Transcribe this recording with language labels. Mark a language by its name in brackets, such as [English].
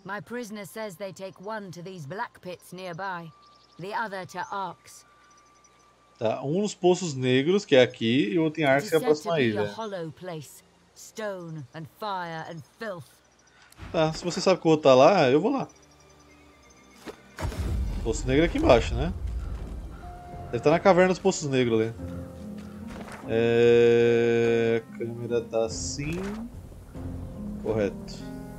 [English] My prisoner says they take one to these black pits nearby, the other to Arx. [Portuguese] Tá, nos poços negros, que é aqui, e outro em Arx, que é a próxima ilha. [English] It is said to be a hollow place, stone and fire and filth. [Portuguese] Tá, se você sabe que o outro tá lá, eu vou lá. Poço negro aqui embaixo, né? Deve estar na caverna dos poços negros ali. É... A câmera tá assim. Correto.